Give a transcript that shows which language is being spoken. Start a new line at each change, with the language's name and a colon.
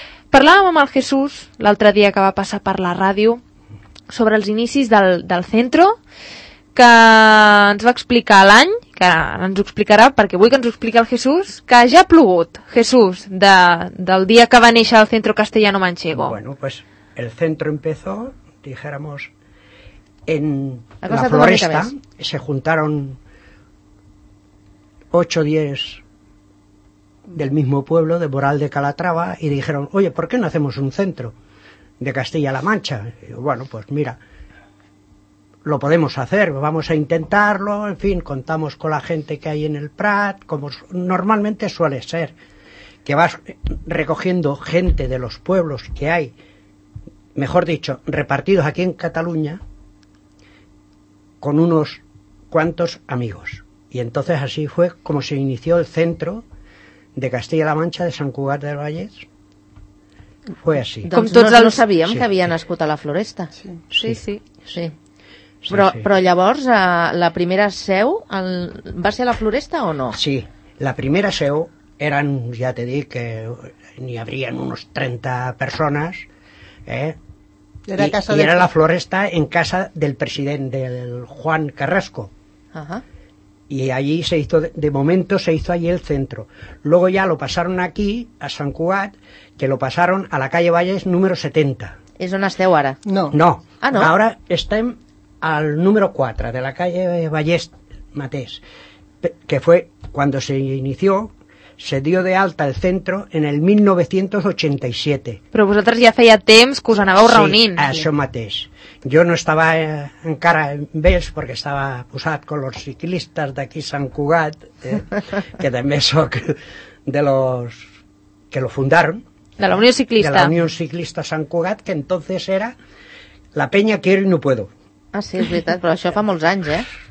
Catalan: Parlàvem amb el Jesús l'altre dia que va passar per la ràdio sobre els inicis del centro, que ens va explicar l'any, que ens ho explicarà, perquè vull que ens ho expliqui el Jesús, que ja ha plogut, Jesús, del dia que va néixer el Centro Castellano Manchego.
Spanish: Bueno, pues el centro empezó, dijéramos, en la floresta. Se juntaron 8 o 10 del mismo pueblo, de Boral de Calatrava, y dijeron, oye, ¿por qué no hacemos un centro de Castilla-La Mancha? Y bueno, pues mira, lo podemos hacer, vamos a intentarlo, en fin, contamos con la gente que hay en el Prat, como normalmente suele ser, que vas recogiendo gente de los pueblos que hay, mejor dicho, repartidos aquí en Cataluña, con unos cuantos amigos. Y entonces así fue como se inició el centro de Castilla-La Mancha de Sant Cugat del Vallès. Fue así.
Catalan: Com tots els sabíem, sí, que havia nascut a la Floresta. Sí. Però llavors, la primera seu va ser a la Floresta o no? Sí, la primera seu eren, ja t'he dit, que n'hi havien uns 30 persones, i era la Floresta en casa del president, del Juan Carrasco.
Spanish: Y allí se hizo, de momento se hizo allí el centro. Luego ya lo pasaron aquí, a Sant Cugat, que lo pasaron a la calle Valles número 70.
Catalan: ¿Es on esteu ara? No. Ah, no.
Spanish: Ahora estem al número 4, de la calle Valles mateix, que fue cuando se inició, se dio de alta el centro en el 1987.
Catalan: Però vosaltres ja feia temps que us anàveu reunint. Sí, això mateix. Jo no estava encara en vells perquè estava posat
Spanish: con los ciclistas
Catalan: d'aquí Sant Cugat, que també soc
Spanish: de los que lo fundaron.
Catalan: De la Unió Ciclista.
Spanish: De la Unió Ciclista Sant Cugat, que entonces era la peña quiero y no puedo.
Catalan: Ah, sí, és veritat, però això fa molts anys, eh?